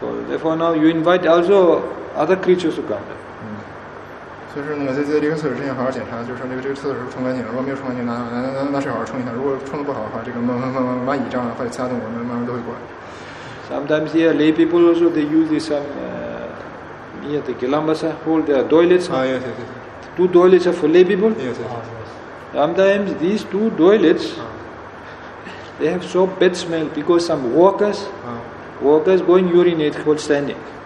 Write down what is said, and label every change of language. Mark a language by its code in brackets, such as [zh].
[en] Therefore, now you invite also other creatures to come. [zh] 所以说那个在这个厕所之前好好检查，就是说这个厕所是冲干净，如果没有冲干净，拿水好好冲一下。如果冲的不好的话，这个蚂蚁蟑螂或者其他动物慢慢都会过来。 [en] Sometimes here lay people also they use this near the Kilambasa hole their toilets. Yes. Two toilets are for lay people. Yes. Sometimes these two toilets they have so bad smell because some workers go and urinate while standing.